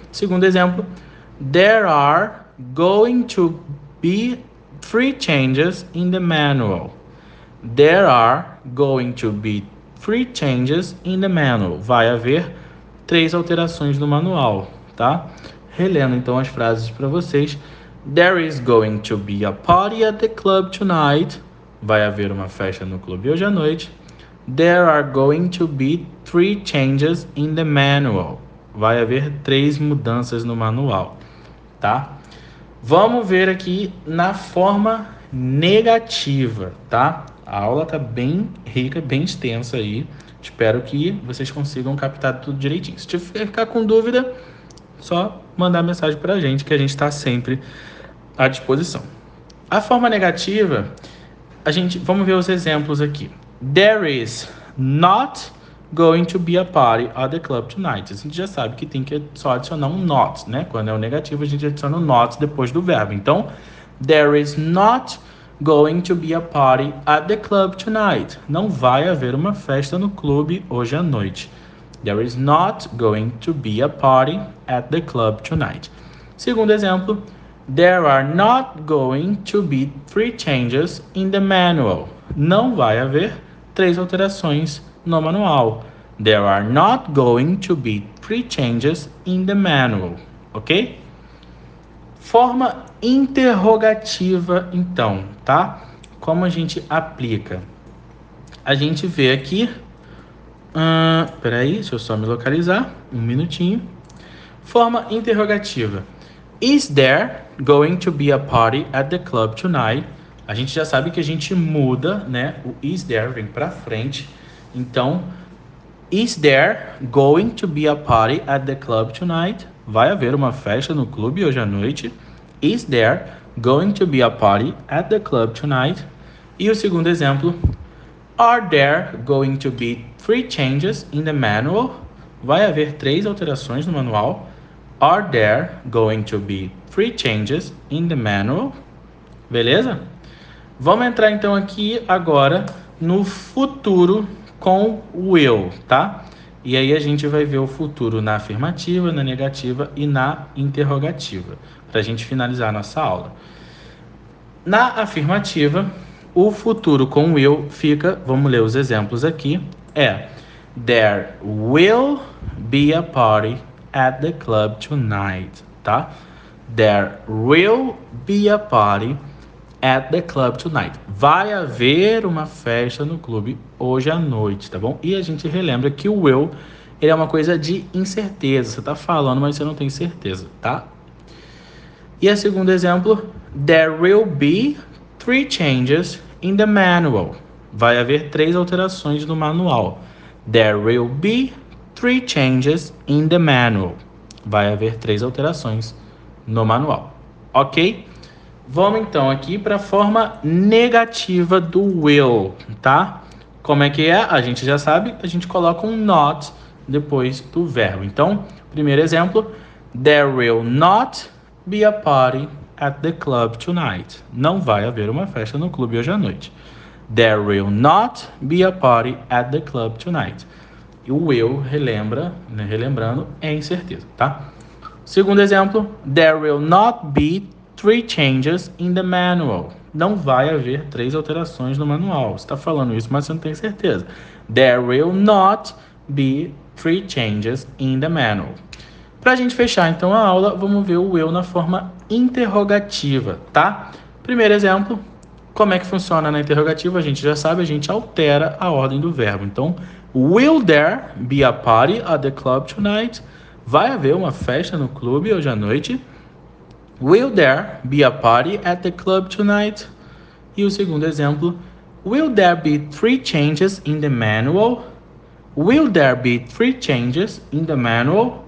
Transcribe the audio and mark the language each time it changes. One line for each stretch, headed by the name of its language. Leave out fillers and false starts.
Portuguese: Segundo exemplo,
English: There are going to be three changes in the manual. There are going to be three changes in the manual.
Portuguese: Vai haver três alterações no manual, tá? Relendo então as frases para vocês.
English: There is going to be a party at the club tonight.
Portuguese: Vai haver uma festa no clube hoje à noite.
English: There are going to be three changes in the manual.
Portuguese: Vai haver três mudanças no manual, tá? Vamos ver aqui na forma negativa, tá? A aula tá bem rica, bem extensa aí. Espero que vocês consigam captar tudo direitinho. Se tiver ficar com dúvida, só mandar mensagem para a gente, que a gente está sempre à disposição. A forma negativa, vamos ver os exemplos aqui.
English: There is not going to be a party at the club tonight.
Portuguese: A gente já sabe que tem que só adicionar um not, né? Quando é o negativo, a gente adiciona o not depois do verbo.
English: Então, there is not going to be a party at the club tonight.
Portuguese: Não vai haver uma festa no clube hoje à noite.
English: There is not going to be a party at the club tonight.
Portuguese: Segundo exemplo,
English: There are not going to be three changes in the manual.
Portuguese: Não vai haver três alterações no manual.
English: There are not going to be three changes in the manual.
Portuguese: Ok? Forma interrogativa, então, tá? Como a gente aplica? A gente vê aqui. Peraí, deixa eu só me localizar. Um minutinho. Forma interrogativa.
English: Is there going to be a party at the club tonight?
Portuguese: A gente já sabe que a gente muda, né? O is there vem para frente.
English: Então, is there going to be a party at the club tonight?
Portuguese: Vai haver uma festa no clube hoje à noite.
English: Is there going to be a party at the club tonight?
Portuguese: E o segundo exemplo,
English: Are there going to be three changes in the manual?
Portuguese: Vai haver três alterações no manual.
English: Are there going to be three changes in the manual?
Portuguese: Beleza? Vamos entrar então aqui agora no futuro com o will, tá? E aí a gente vai ver o futuro na afirmativa, na negativa e na interrogativa, para a gente finalizar nossa aula. Na afirmativa, o futuro com o will fica, vamos ler os exemplos aqui,
English: There will be a party at the club tonight,
Portuguese: tá?
English: There will be a party at the club tonight.
Portuguese: Vai haver uma festa no clube hoje à noite, tá bom? E a gente relembra que o will, ele é uma coisa de incerteza. Você tá falando, mas você não tem certeza, tá? E a segundo exemplo,
English: There will be three changes in the manual.
Portuguese: Vai haver três alterações no manual.
English: There will be three changes in the manual.
Portuguese: Vai haver três alterações no manual. Ok? Vamos então aqui para a forma negativa do will, tá? Como é que é? A gente já sabe, a gente coloca um not depois do verbo. Então, primeiro exemplo,
English: There will not be a party at the club tonight.
Portuguese: Não vai haver uma festa no clube hoje à noite.
English: There will not be a party at the club tonight.
Portuguese: E o will relembra, né? Relembrando, é incerteza, tá? Segundo exemplo,
English: There will not be three changes in the manual.
Portuguese: Não vai haver três alterações no manual. Você está falando isso, mas você não tem certeza.
English: There will not be three changes in the manual.
Portuguese: Para a gente fechar então a aula, vamos ver o will na forma interrogativa, tá? Primeiro exemplo, como é que funciona na interrogativa? A gente já sabe, a gente altera a ordem do verbo.
English: Então, will there be a party at the club tonight?
Portuguese: Vai haver uma festa no clube hoje à noite?
English: Will there be a party at the club tonight?
Portuguese: E o segundo exemplo,
English: Will there be three changes in the manual? Will there be three changes in the manual?